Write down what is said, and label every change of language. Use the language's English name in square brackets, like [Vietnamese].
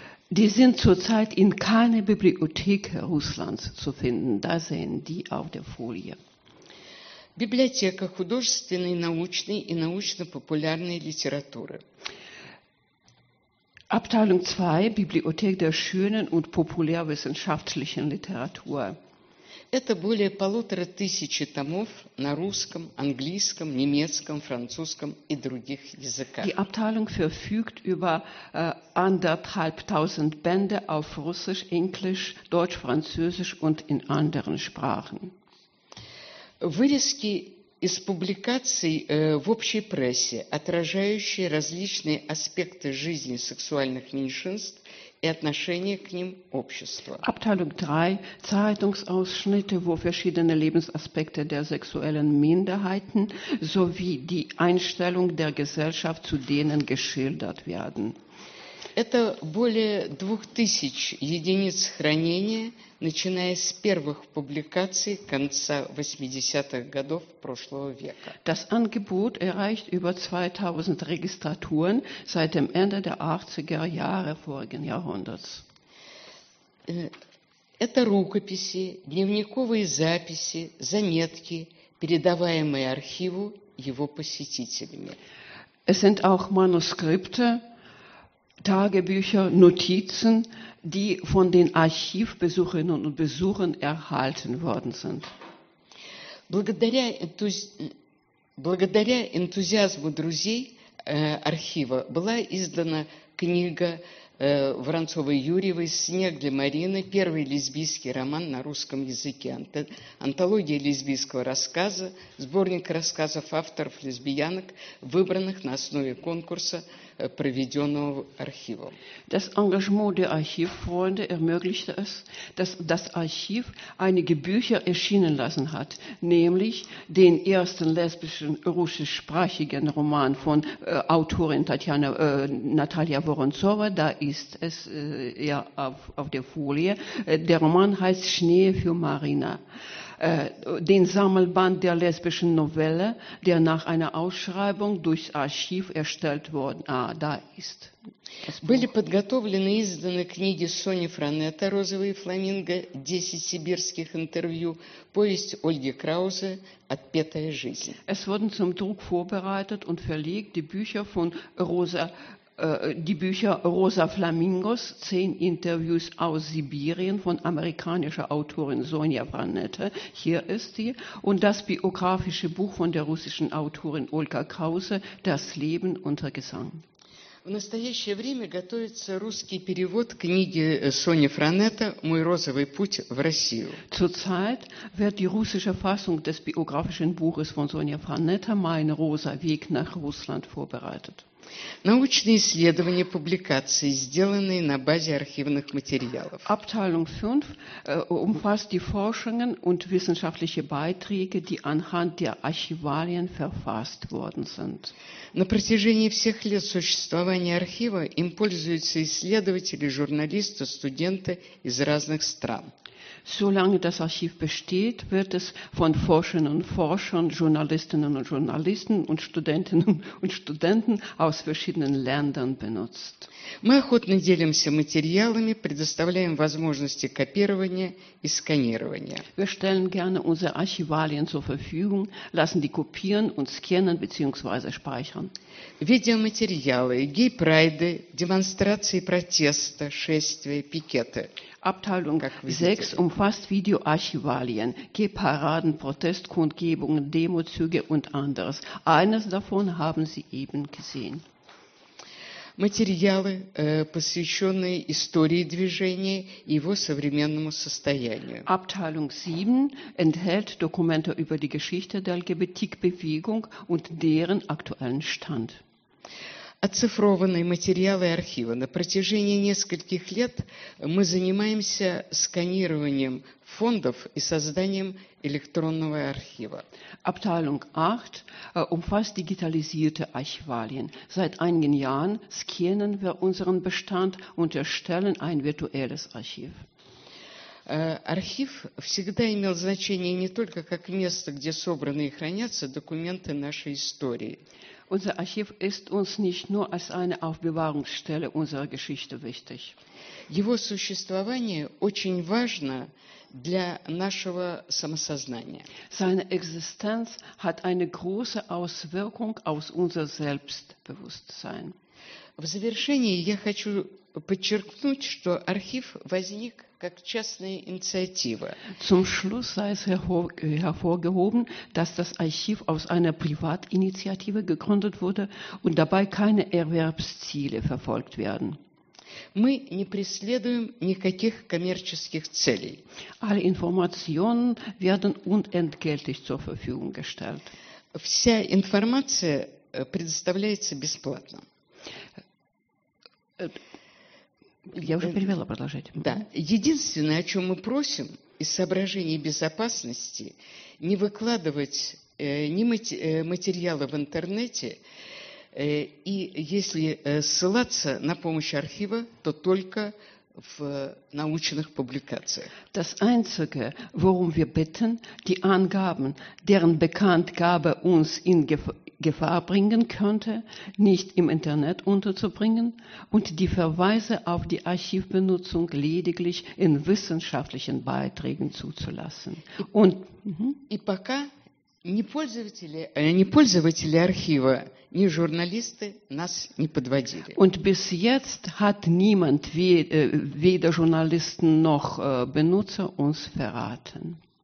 [German] Die sind zurzeit in keiner Bibliothek Russlands zu finden. Da sehen die auf der Folie. [Russian] Библиотека художественной, научной и научно-популярной литературы. [German] Abteilung 2, Bibliothek der schönen und populärwissenschaftlichen Literatur. [Russian] Это более полутора тысячи томов на русском, английском, немецком, французском и других языках. [German] Die Abteilung verfügt über anderthalbtausend Bände auf Russisch, Englisch, Deutsch, Französisch und in anderen Sprachen. [Russian] Вырезки из публикаций в общей прессе, отражающие различные аспекты жизни сексуальных меньшинств и отношения к ним общества. [German] Abteilung 3. Zeitungsausschnitte, wo verschiedene Lebensaspekte der sexuellen Minderheiten sowie die Einstellung der Gesellschaft zu denen geschildert werden. [Russian] Это более 2000 единиц хранения, начиная с первых публикаций конца 80-х годов прошлого века. [German] Das Angebot erreicht über 2000 Registraturen seit dem Ende der 80er Jahre vorigen Jahrhunderts. [Russian] Это рукописи, дневниковые записи, заметки, передаваемые архиву его посетителями. [German] Es sind auch Manuskripte, Tagebücher, Notizen, die von den Archivbesucherinnen und Besuchern erhalten worden sind. [Russian] Благодаря энтузиазму друзей архива была издана книга Воронцовой Юрьевой «Снег для Марины. Первый лесбийский роман на русском языке. Антология лесбийского рассказа. Сборник рассказов авторов-лесбиянок, выбранных на основе конкурса, проведенного архивом». [German] Das Engagement der Archivfreunde ermöglichte es, dass das Archiv einige Bücher erschienen lassen hat, nämlich den ersten lesbischen russischsprachigen Roman von Autorin Natalia Voronzova, da ist es ja auf der Folie. Der Roman heißt Schnee für Marina. Den Sammelband der lesbischen Novelle, der nach einer Ausschreibung durchs Archiv erstellt worden da ist. [Russian] Были подготовлены и изданы книги Сони Франетта «Розовые фламинго», «Десять сибирских интервью», повесть Ольги Краузе «Отпетая жизнь». [German] Es wurden zum Druck vorbereitet und verlegt die Bücher von Rosa die Bücher Rosa Flamingos, 10 Interviews aus Sibirien von amerikanischer Autorin Sonja Franette, hier ist sie, und das biografische Buch von der russischen Autorin Olga Krause, Das Leben unter Gesang. [Russian] В настоящее время готовится русский перевод книги Сони Франетта «Мой розовый путь в Россию». [German] Zurzeit wird die russische Fassung des biografischen Buches von Sonja Franette «Mein rosa Weg nach Russland» vorbereitet. [Russian] Научные исследования публикации, сделанные на базе архивных материалов. [German] Abteilung 5 umfasst die Forschungen und wissenschaftliche Beiträge, die anhand der Archivalien verfasst worden sind. [Russian] На протяжении всех лет существования архива им пользуются исследователи, журналисты, студенты из разных стран. [German] Solange das Archiv besteht, wird es von Forscherinnen und Forschern, Journalistinnen und Journalisten und Studentinnen und Studenten aus verschiedenen Ländern benutzt. [Russian] Мы охотно делимся материалами, предоставляем возможности копирования и сканирования. [German] Wir stellen gerne unsere Archivalien zur Verfügung, lassen die kopieren und scannen bzw. speichern. [Russian] Видеоматериалы, гей-прайды, демонстрации протеста, шествия, пикеты. [German] Abteilung 6 umfasst Videoarchivalien, Gehparaden, Protestkundgebungen, Demozüge und anderes. Eines davon haben Sie eben gesehen. [Russian] Материалы, посвященные истории движения и его современному состоянию. [German] Abteilung 7 enthält Dokumente über die Geschichte der LGBT-Bewegung und deren aktuellen Stand. [Russian] Оцифрованные материалы архива. На протяжении нескольких лет мы занимаемся сканированием фондов и созданием электронного архива. [German] Abteilung 8 umfasst digitalisierte Archivalien. Seit einigen Jahren scannen wir unseren Bestand und erstellen ein virtuelles Archiv. [Russian] Архив всегда имел значение не только как место, где собраны и хранятся документы нашей истории. [German] Unser Archiv ist uns nicht nur als eine Aufbewahrungsstelle unserer Geschichte wichtig. [Russian] Его существование очень важно для нашего самосознания. [German] Seine Existenz hat eine große Auswirkung auf unser Selbstbewusstsein. [Russian] В завершении я хочу подчеркнуть, что архив возник как частная инициатива. [German] Zum Schluss sei es hervorgehoben, dass das Archiv aus einer Privatinitiative gegründet wurde und dabei keine Erwerbsziele verfolgt werden. [Russian] Мы не преследуем никаких коммерческих целей. [German] Alle Informationen werden unentgeltlich zur Verfügung gestellt. [Russian] Вся информация предоставляется бесплатно. Я уже перевела, продолжайте. Да. Единственное, о чем мы просим, из соображений безопасности, не выкладывать материалы в интернете, и если ссылаться на помощь архива, то только в научных публикациях. [German] Das Einzige, worum wir bitten, die Angaben, deren Bekanntgabe uns in Gefahr bringen könnte, nicht im Internet unterzubringen und die Verweise auf die Archivbenutzung lediglich in wissenschaftlichen Beiträgen zuzulassen. Und [Russian] пока не пользователи архива ни журналисты нас не подводили. [German] Und bis jetzt hat niemand, weder Journalisten noch Benutzer, uns verraten.